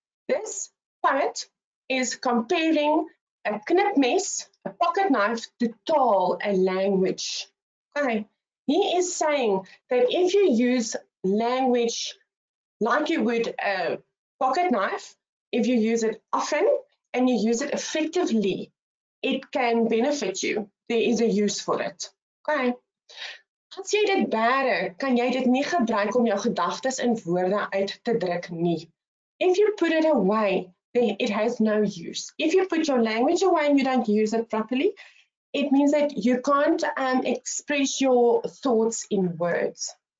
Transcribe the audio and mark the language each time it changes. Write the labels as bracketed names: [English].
[English] This poet is comparing a knipmes, a pocket knife, to taal, a language. Okay. He is saying that if you use language like you would a pocket knife, if you use it often and you use it effectively, it can benefit you. There is a use for it. Okay. [Afrikaans] As jy dit bære, kan jy dit nie gebruik om jou gedagtes in woorde uit te druk nie. [English] If you put it away, then it has no use. If you put your language away and you don't use it properly, it means that you can't express your thoughts in words.